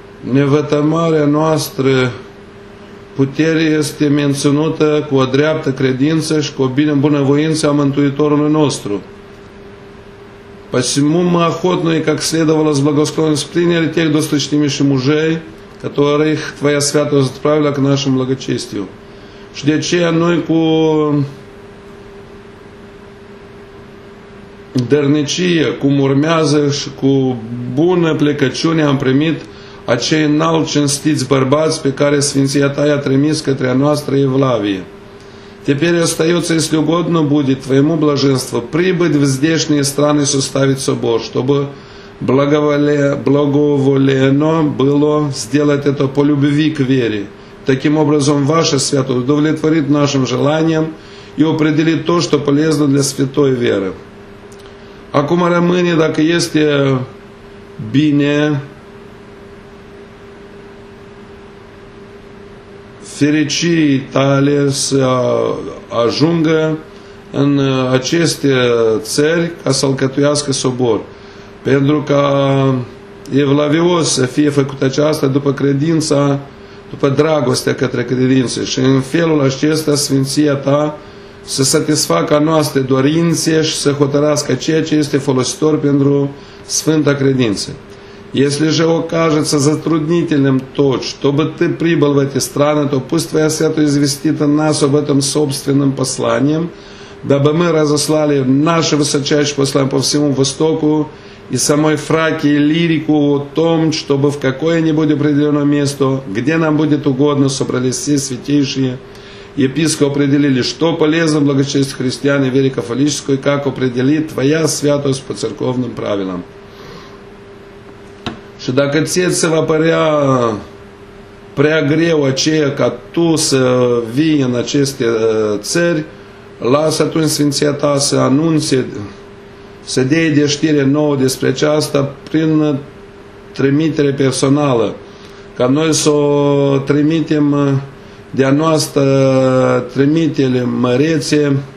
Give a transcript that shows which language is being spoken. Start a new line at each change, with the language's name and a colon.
Romanian: Невătămarea noastră putere este menținută cu o dreaptă credință și cu o bine bunăvoință a Mântuitorului nostru.
Russian: Посему мы охотно и как следовало с благосклонностью приняли тех досточтимейших мужей, которых Твоя святость отправила к нашему благочестию.
Romanian: Și de aceea noi cu dărnicie, cum urmează și cu bună plecăciune am primit acei înalt-cinstiți bărbați pe care Sfinția Ta i-a trimis către a noastră Evlavie.
Russian: Теперь остается, если угодно будет, Твоему блаженству прибыть в здешние страны и составить собор, чтобы благоволено было сделать это по любви к вере. Таким образом, Ваше Святое удовлетворит нашим желаниям и определит то, что полезно для святой веры.
Romanian: Acum rămâne, dacă este bine, fericirii tale să ajungă în aceste țări ca să alcătuiască sobor. Pentru ca evlavios să fie făcut aceasta după credința, după dragostea către credință. Și în felul acesta, Sfinția Ta să satisfacă noastre dorințe și să hotărască ceea ce este folositor pentru Sfânta Credință.
Russian: Если же окажется затруднительным то, чтобы ты прибыл в эти страны, то пусть Твоя Святая известит нас об этом собственным посланием, дабы мы разослали наше высочайшее послание по всему Востоку и самой Фракии лирику о том, чтобы в какое-нибудь определенное место, где нам будет угодно, собрались все святейшие епископы, определили, что полезно благочестить христиан и вере католической, как определит Твоя Святость по церковным правилам.
Romanian: Și dacă ție se va părea prea greu aceea ca tu să vii în aceste țări, lasă atunci Sfinția Ta să anunțe, să dea de știre nouă despre aceasta prin trimitere personală, ca noi să o trimitem de-a noastră trimitele mărețe